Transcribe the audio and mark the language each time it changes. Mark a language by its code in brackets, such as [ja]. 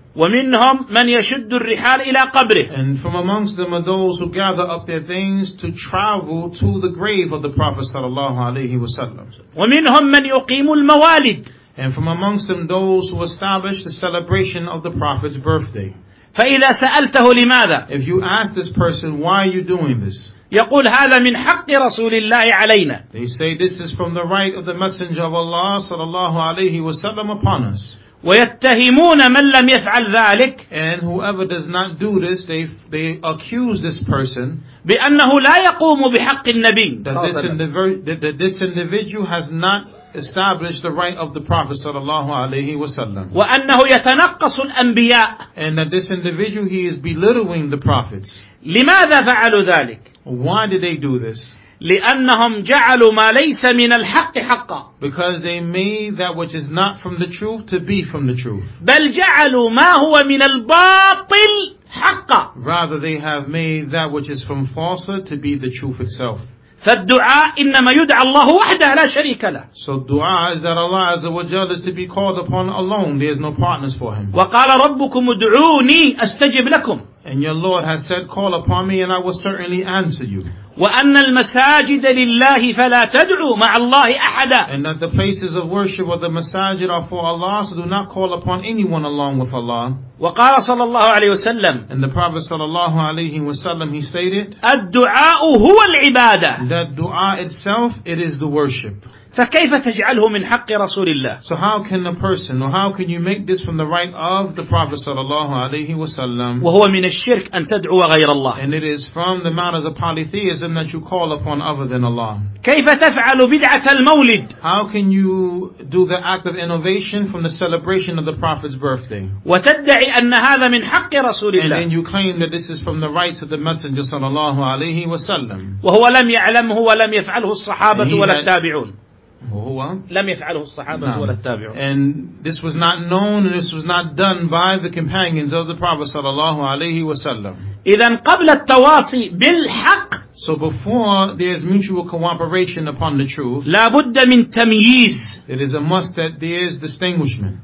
[ar] ومنهم من يشد الرحال إلى قبره. [en] And from amongst them are those who gather up their things to travel to the grave of the Prophet صلى الله عليه وسلم. [ar] ومنهم من يقيم الموالد. [en] And from amongst them those who establish the celebration of the Prophet's birthday. [ar] فإذا سألته لماذا. [en] If you ask this person, why are you doing this? [ar] يقول هذا من حق رسول الله علينا. [en] They say this is from the right of the Messenger of Allah صلى الله عليه وسلم upon us. [ar] ويتهمون من لم يفعل ذلك. [en] And whoever does not do this, they accuse this person. [ar] بأنه لا يقوم بحق النبي. [en] That this individual has not established the right of the Prophet صلى الله عليه وسلم. [ar] وأنه يتنقص الأنبياء. [en] And that this individual he is belittling the prophets. [ar] لماذا فعلوا ذلك؟ [en] Why did they do this? [ar] لأنهم جعلوا ما ليس من الحق حقا. [en] Because they made that which is not from the truth to be from the truth. [ar] بل جعلوا ما هو من الباطل حقا. [en] Rather they have made that which is from falsehood to be the truth itself. [ar] فالدعاء إنما يدعى الله وحده لا شريك له. [en] So الدعاء is that Allah عز وجل is to be called upon alone. There is no partners for him. [ar] وقال ربكم ادعوني أستجب لكم. [en] And your Lord has said, call upon me and I will certainly answer you. [ar] وأن المساجد لله فلا تدعوا مع الله أحدا. [en] And that the places of worship or the masajid are for Allah, so do not call upon anyone along with Allah. [ar] وقال صلى الله عليه وسلم. [en] And the Prophet صلى الله عليه وسلم he stated. [ar] الدعاء هو العبادة. [en] That dua itself it is the worship. [ar] فكيف تجعله من حق رسول الله؟ [en] So how can a person or how can you make this from the right of the Prophet صلى الله عليه وسلم؟ [ar] وهو من الشرك أن تدعو غير الله. [en] And it is from the matters of polytheism that you call upon other than Allah. [ar] كيف تفعل بدعة المولد؟ [en] How can you do the act of innovation from the celebration of the Prophet's birthday? [ar] وتدعي أن هذا من حق رسول الله. [en] And then you claim that this is from the rights of the Messenger صلى الله عليه وسلم. [ar] وهو لم يعلمه ولم يفعله الصحابة ولا التابعون. وهو لم يفعله الصحابة ولا التابعون. [en] And this was not known and this was not done by the companions of the Prophet صلى الله عليه وسلم. [ar] إذن قبل التواصي بالحق. [en] So before there's mutual cooperation upon the truth, [ar] لا بد من تمييز. [en] It is a must that there is distinguishment.